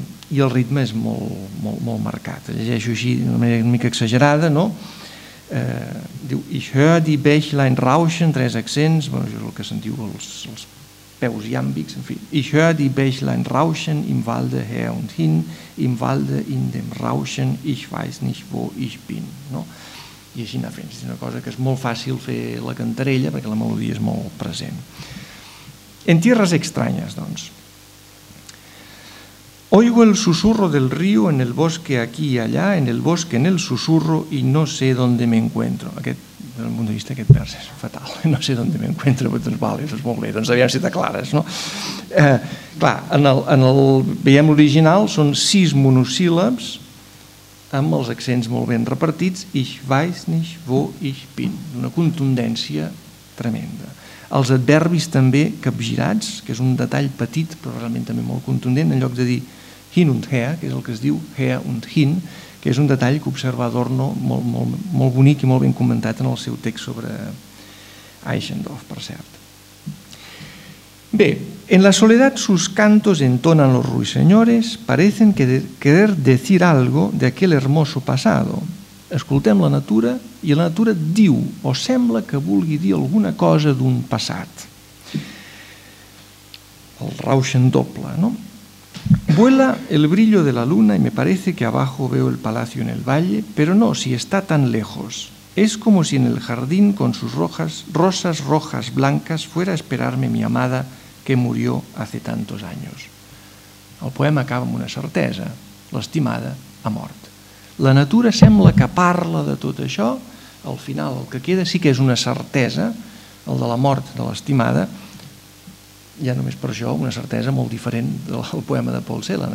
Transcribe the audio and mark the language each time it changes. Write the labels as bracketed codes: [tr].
[ca] i el ritme és molt marcat. Llegeixo així d'una manera una mica exagerada, no? Diu, [de] ich höre die Bächlein rauschen, [ca] tres accents, bueno, això és el que sentiu els peus iàmbics, en fi. [de] Ich höre die Bächlein rauschen im Walde her und hin, im Walde in dem rauschen, ich weiß nicht wo ich bin. [ca] No? I així anar fent. És una cosa que és molt fàcil fer la cantarella perquè la melodia és molt present. [es] En tierras extrañas, doncs. Oigo el susurro del río en el bosque aquí y allá, en el bosque en el susurro y no sé dónde me encuentro. [ca] Aquest, del punt de vista d'aquest vers és fatal. [es] No sé dónde me encuentro, [ca] doncs vale, doncs molt bé, doncs aviam si t'aclares, no? Clar, veiem l'original, són sis monosíl·labs amb els accents molt ben repartits, [de] ich weiß nicht wo ich bin, [ca] d'una contundència tremenda. Els adverbis també capgirats, que és un detall petit però realment també molt contundent, en lloc de dir [de] hin und her, [ca] que és el que es diu [de] her und hin, [ca] que és un detall que observa Adorno molt bonic i molt ben comentat en el seu text sobre Eichendorff, per cert. Bé, en la soledat [es] sus cantos entonan los ruiseñores, parecen querer decir algo de aquel hermoso pasado. [ca] Escoltem la natura i la natura diu o sembla que vulgui dir alguna cosa d'un passat. El rauxen doble, no? [es] Vuela el brillo de la luna y me parece que abajo veo el palacio en el valle, pero no, si está tan lejos. Es como si en el jardín con sus rosas rojas blancas fuera a esperarme mi amada que murió hace tantos años. [ca] El poema acaba amb una certesa, l'estimada ha mort. La natura sembla que parla de tot això, al final el que queda sí que és una certesa, el de la mort de l'estimada, ja només per això una certesa molt diferent del poema de Paul Celan.